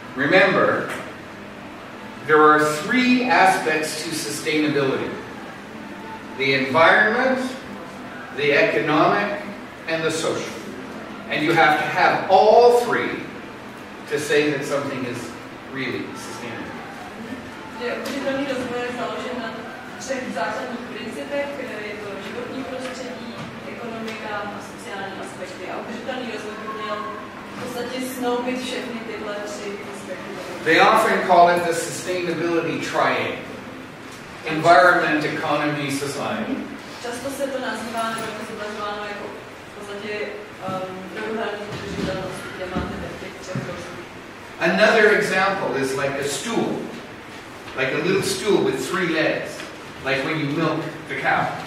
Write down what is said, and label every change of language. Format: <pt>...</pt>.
<en>Remember, there are three aspects to sustainability. The environment, the economic, and the social. And you have to have all three to say that something is really sustainable. Mm-hmm.</en> <cs>Udržitelný rozvoj je založen na třech základních principech, které je to životní prostředí, ekonomika a sociální aspekty. A udržitelný rozvoj by měl v podstatě snoubit všechny tyhle tři aspekty.</cs> <en>They often call it the sustainability triangle. Environment, economy, society.</en> <cs>Často se to nazývá nebo je to zobrazováno jako v podstatě druhohradní udržitelnosti, kde máte ve těch třech rozvojích.</cs> <en>Another example is like a stool. Like a little stool with three legs. Like when you milk the cow.</en>